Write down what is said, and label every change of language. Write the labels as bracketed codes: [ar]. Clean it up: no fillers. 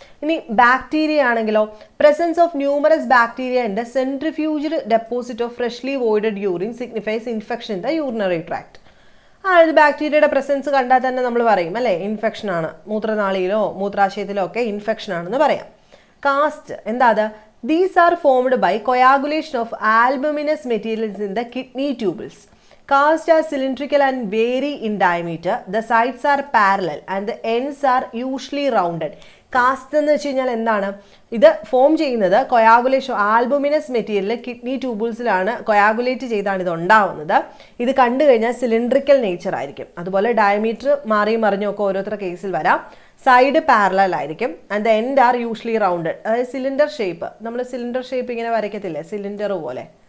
[ml] ഇനി ബാക്ടീരിയ ആണെങ്കിലോ, [en] Presence of numerous bacteria in the centrifuged deposit of freshly voided urine signifies infection in the urinary tract. [ml] ആ ഒരു ബാക്ടീരിയയുടെ presence കണ്ടാൽ തന്നെ നമ്മൾ പറയും അല്ലേ ഇൻഫെക്ഷനാണ്, മൂത്രനാളിയിലോ മൂത്രാശയത്തിലോ ഒക്കെ ഇൻഫെക്ഷൻ ആണെന്ന് പറയാം. Cast എന്താത്? [en] These are formed by coagulation of albuminous materials in the kidney tubules. Cast are cylindrical and vary in diameter. The sides are parallel and the ends are usually rounded. [ml] Cast എന്ന് വെച്ചാൽ എന്താണ് ഇത് form ചെയ്യുന്നത് coagulation albuminous material kidney ട്യൂബുൾസിലാണ് കോയാഗുലേറ്റ് ചെയ്താണ് ഇത് ഉണ്ടാവുന്നത് ഇത് കണ്ടു കഴിഞ്ഞാൽ സിലിണ്ടറിക്കൽ നേച്ചർ ആയിരിക്കും അതുപോലെ ഡയമീറ്റർ മാറി മറിഞ്ഞൊക്കെ ഓരോരുത്തര കേസിൽ വരാം സൈഡ് പാരലൽ ആയിരിക്കും [en] and the end are usually rounded [ml] cylinder shape നമ്മൾ സിലിണ്ടർ ഷേപ്പ് ഇങ്ങനെ വരയ്ക്കത്തില്ലേ സിലിണ്ടർ പോലെ